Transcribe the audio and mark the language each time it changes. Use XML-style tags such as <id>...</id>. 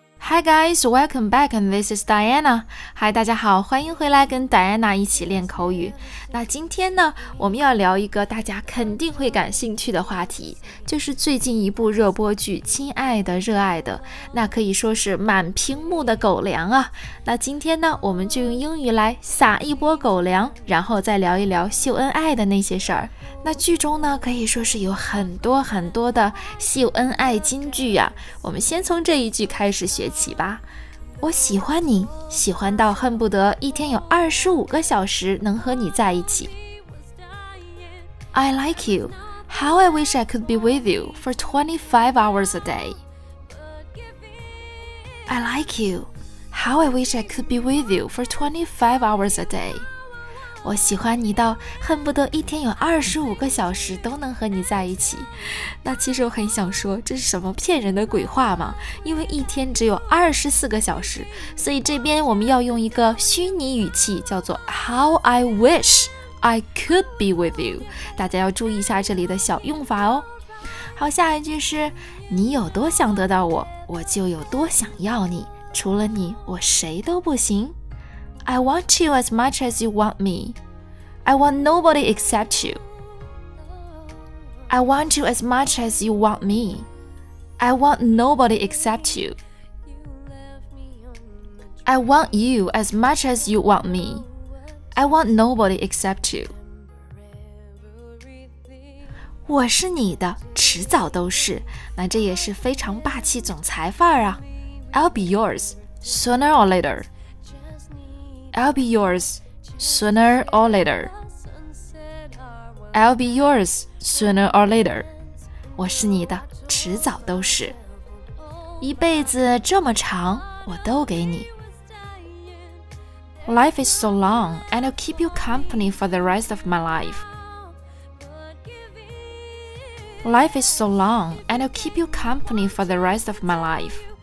<en>Hi guys, welcome back and this is Diana.</en> <zh>Hi, 大家好，欢迎回来跟 Diana 一起练口语。那今天呢，我们要聊一个大家肯定会感兴趣的话题，就是最近一部热播剧《亲爱的，热爱的》，那可以说是满屏幕的狗粮啊。那今天呢，我们就用英语来撒一波狗粮，然后再聊一聊秀恩爱的那些事儿。那剧中呢，可以说是有很多很多的秀恩爱金句啊，我们先从这一句开始学起吧。我喜欢你，喜欢到恨不得一天有25个小时能和你在一起。</zh> <en>I like you. How I wish I could be with you for 25 hours a day. I like you. How I wish I could be with you for 25 hours a day.</en> <zh>我喜欢你到恨不得一天有25个小时都能和你在一起。那其实我很想说，这是什么骗人的鬼话吗？因为一天只有24个小时，所以这边我们要用一个虚拟语气，叫做</zh> <en>How I wish I could be with you。</en> <zh>大家要注意一下这里的小用法哦。好，下一句是你有多想得到我，我就有多想要你。除了你，我谁都不行。</zh> <en>I want you as much as you want me. I want nobody except you. I want you as much as you want me. I want nobody except you. I want you as much as you want me. I want nobody except you.</en> <zh>我是你的，迟早都是。那这也是非常霸气总裁范儿啊。</zh> <en>I'll be yours, sooner or later. I'll be yours sooner or later. I'll be yours sooner or later.</en> <zh>我是你的，迟早都是。一辈子这么长，我都给你。</zh> <en>Life is so long, and I'll keep you company for the rest of my life. Life is so long, and I'll keep you company for the rest of my life.</en>